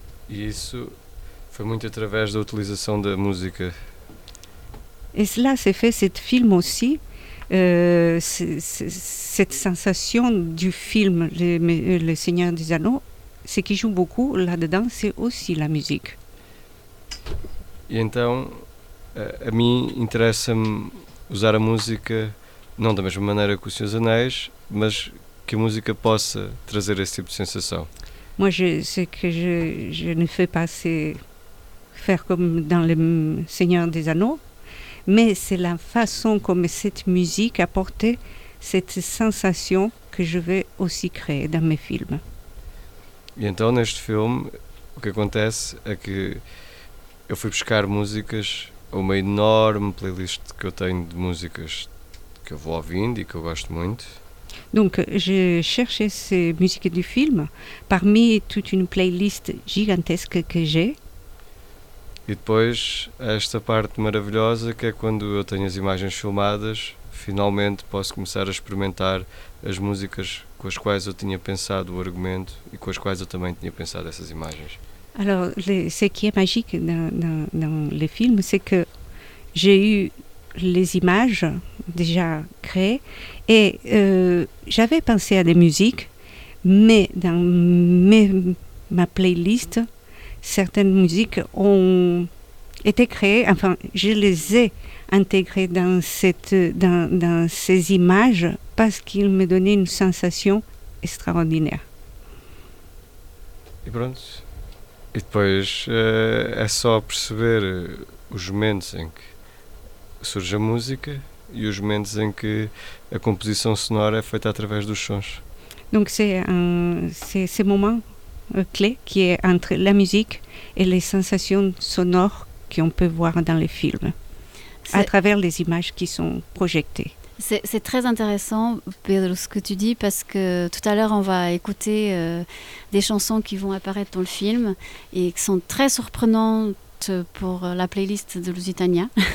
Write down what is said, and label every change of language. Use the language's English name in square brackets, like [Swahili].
[French] Et ça, c'est beaucoup à travers de l'utilisation de la musique. Et cela s'est fait, ce film aussi, cette sensation du film Le Seigneur des Anneaux, ce qui joue beaucoup là-dedans, c'est aussi la musique. Et donc... [Portuguese] A mim interessa-me usar a música, não da mesma maneira que os Senhores Anéis, mas que a música possa trazer esse tipo de sensação. [French] Moi, ce que je ne fais pas, c'est faire comme dans Le Seigneur des Anneaux, mais c'est la façon comme cette musique apporte cette sensation que je vais aussi créer dans mes films. [Portuguese] E então, neste filme, o que acontece é que eu fui buscar músicas... uma enorme playlist que eu tenho de músicas que eu vou ouvindo e que eu gosto muito. [French] Donc, j'ai cherché ces musiques du film parmi toute une playlist gigantesque que j'ai. [Portuguese] E depois, esta parte maravilhosa que é quando eu tenho as imagens filmadas, finalmente posso começar a experimentar as músicas com as quais eu tinha pensado o argumento e com as quais eu também tinha pensado essas imagens. [French] Alors, ce qui est magique dans les films, c'est que j'ai eu les images déjà créées et j'avais pensé à des musiques, mais dans ma playlist, certaines musiques ont été créées, enfin, je les ai intégrées dans ces images parce qu'ils me donnaient une sensation extraordinaire. Et Bruns? [Portuguese] E depois é só perceber os momentos em que surge a música e os momentos em que a composição sonora é feita através dos sons. [French] Donc c'est ce moment clé qui est entre la musique et les sensations sonores qu'on peut voir dans les films, à travers les images qui sont projetées. C'est très intéressant, Pedro, ce que tu dis, parce que tout à l'heure, on va écouter des chansons qui vont apparaître dans le film et qui sont très surprenantes pour la playlist de Lusitania.